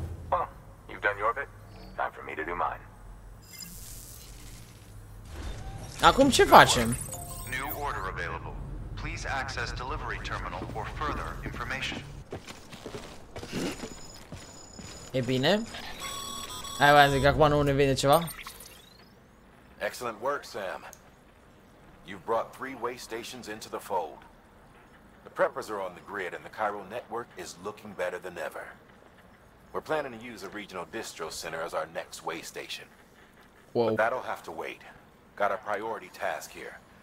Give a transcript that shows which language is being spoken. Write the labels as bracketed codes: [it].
[en] Well, you've done your bit. Time for me to do mine. [ro] Acum ce facem? [en] New order available. Please access delivery terminal for further information. [ro] E bine. Hai, v-am zis că acum nu ne vine ceva. [en] Excellent work, Sam. You've brought three way stations into the fold. The preppers are on the grid and the chiral network is looking better than ever. We're planning to use a regional distro center as our next way station. Whoa. But that'll have to wait. Got a priority task here.